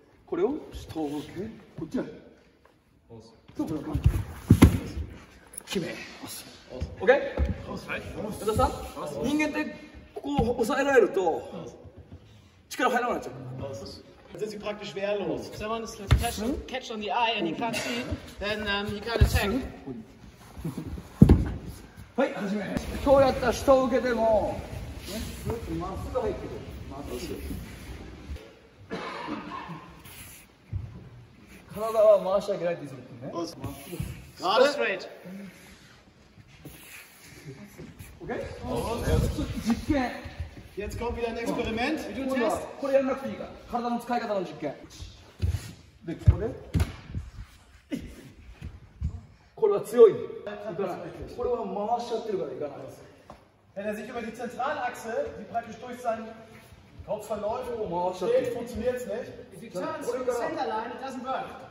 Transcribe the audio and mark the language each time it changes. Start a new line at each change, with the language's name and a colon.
Japanese: これを下を向け、こっちへ。そう、これは簡単。決め。OK? 矢田さん、人間ってここを押さえられると力入らなくなっちゃう。
German: Sind sie praktisch wehrlos.
English: If someone is catch on the eye and he can't see, then he can't attack.
Japanese: はい、はじめ。そうやった下受けでも、ね、まっすぐ入ってる。まっすぐ。体は回してあげないといいですね。まっすぐ。
English: Got it?
Japanese: OK? 実験。
German: Jetzt kommt wieder ein Experiment.
Japanese: これやらなくていいから。体の使い方の実験。で、ここで、これは強い。いかない。これは回しちゃってるからいかないです。
German: Wenn er sich über die Zentralachse, die praktisch durch seinen Kopf verläuft, steht, funktioniert es nicht.
English: If you turn to the center line, it doesn't work.